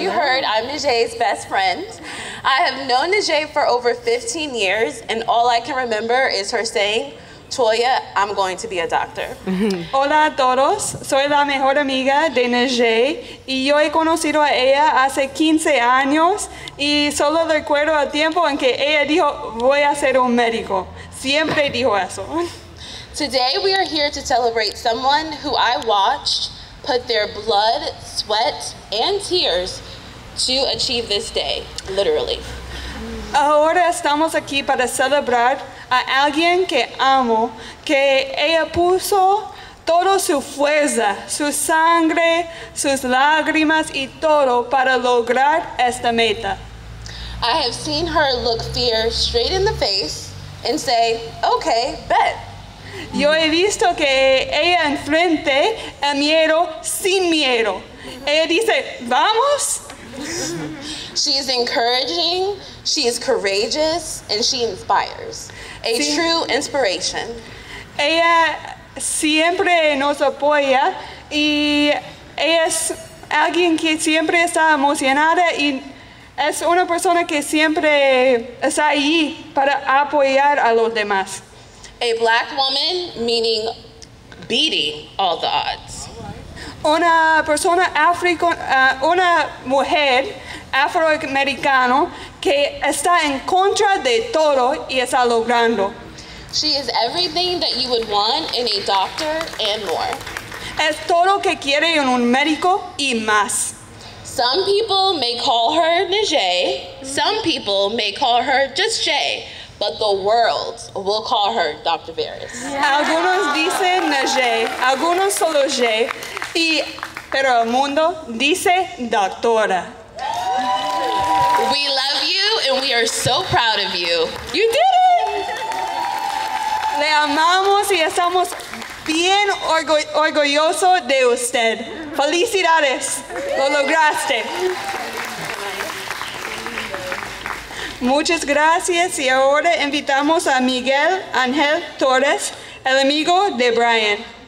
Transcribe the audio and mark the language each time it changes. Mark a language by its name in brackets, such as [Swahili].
[English] You heard, I'm Najee's best friend. I have known Najee for over 15 years, and all I can remember is her saying, Toya, I'm going to be a doctor. [Spanish] Hola a todos. Soy la mejor amiga de Najee, y yo he conocido a ella hace 15 años, y solo recuerdo el tiempo en que ella dijo, voy a ser un médico. Siempre dijo eso. [English] Today we are here to celebrate someone who I watched put their blood, sweat, and tears to achieve this day, literally. [Spanish] Ahora estamos aquí para celebrar a alguien que amo, que ella puso toda su fuerza, su sangre, sus lágrimas y todo para lograr esta meta. [English] I have seen her look fear straight in the face and say, okay, bet. [Spanish] Yo he visto que ella enfrente el miedo sin miedo. Ella dice, vamos. [English] She is encouraging, she is courageous, and she inspires. [Spanish] A sí. [English] True inspiration. [Spanish] Ella siempre nos apoya y ella es alguien que siempre está emocionada y es una persona que siempre está ahí para apoyar a los demás. [English] A black woman, meaning beating all the odds. [Spanish] Una persona una mujer afroamericana que está en contra de todo y está logrando. [English] She is everything that you would want in a doctor and more. [Spanish] Es todo que quiere en un médico y más. [English] Some people may call her Najee, some people may call her just Jay. But the world will call her Dr. Varys. Yeah. [Spanish] Algunos dicen Najee, algunos solo Jay, pero el mundo dice doctora. [English] We love you and we are so proud of you. You did it! [Spanish] Le amamos y estamos bien orgullosos de usted. Felicidades, lo lograste. Muchas gracias, y ahora invitamos a Miguel Angel Torres, el amigo de Brian.